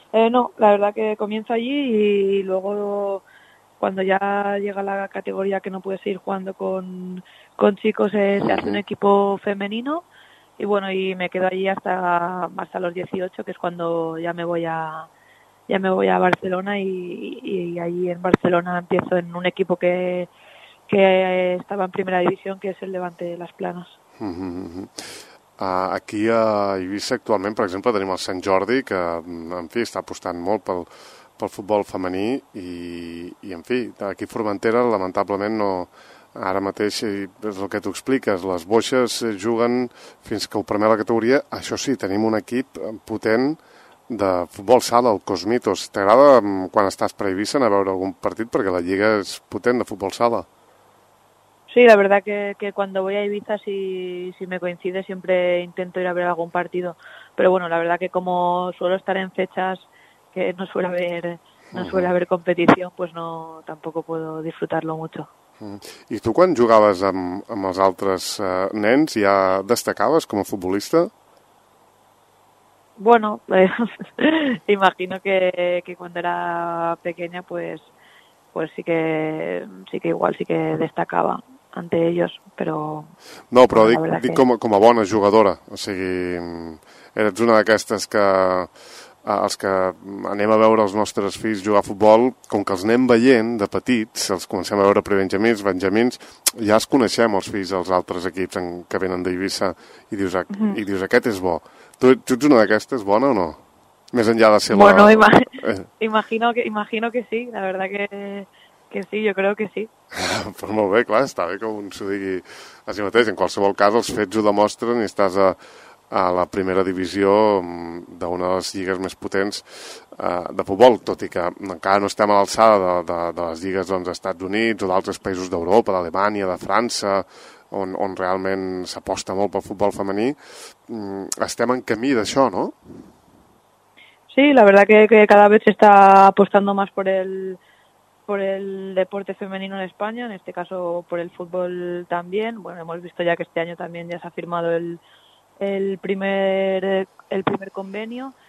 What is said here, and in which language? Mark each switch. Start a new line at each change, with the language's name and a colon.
Spanish: No, la verdad que comienzo allí y luego cuando ya llega la categoría que no puedes ir jugando con chicos, se hace un equipo femenino y bueno, y me quedo allí hasta los 18, que es cuando ya me voy a Barcelona y allí en Barcelona empiezo en un equipo que estaba en primera división, que es el Levante de Las Planas.
Catalan: Aquí a Eivissa actualment, per exemple, tenim el Sant Jordi, que en fi està apostant molt pel futbol femení i en fi, aquí a Formentera lamentablement no, ara mateix és el que tu expliques, les boixes juguen fins que ho permet la categoria. Això sí, tenim un equip potent de futbol sala, el Cosmitos. T'agrada quan estàs per Eivissa anar a veure algun partit, perquè la lliga és potent de futbol sala?
Spanish: Sí, la verdad que cuando voy a Eivissa, si me coincide, siempre intento ir a ver algún partido. Pero bueno, la verdad que como suelo estar en fechas que no suele haber, competición, pues no, tampoco puedo disfrutarlo mucho. ¿Y tú cuando jugabas
Catalan: amb els altres nens
Spanish: ya destacabas como futbolista? Bueno, imagino que cuando era pequeña pues sí que igual sí que destacaba ante ellos, pero...
Catalan: No, però dic com a bona jugadora. O sigui, eres una d'aquestes que... els que anem a veure els nostres fills jugar a futbol, com que els anem veient de petits, els comencem a veure prebenjamins, benjamins, ja els coneixem, els fills dels altres equips que venen d'Eivissa i dius, i dius, aquest és bo. Tu ets una d'aquestes, bona o no? Més enllà de ser
Spanish: bueno, la... Bueno, imagino que sí, la verdad que sí,
Catalan: jo crec que sí. Però molt bé, clar, està bé que un s'ho digui a si mateix. En qualsevol cas, els fets ho demostren i estàs a la primera divisió d'una de les lligues més potents de futbol, tot i que encara no estem a l'alçada de les lligues dels Estats Units o d'altres països d'Europa, d'Alemanya, de França, on realment s'aposta molt pel futbol femení. Estem en camí d'això, no?
Spanish: Sí, la verdad que cada vez se está apostando más por el... por el deporte femenino en España, en este caso por el fútbol también. Bueno, hemos visto ya que este año también ya se ha firmado el primer convenio.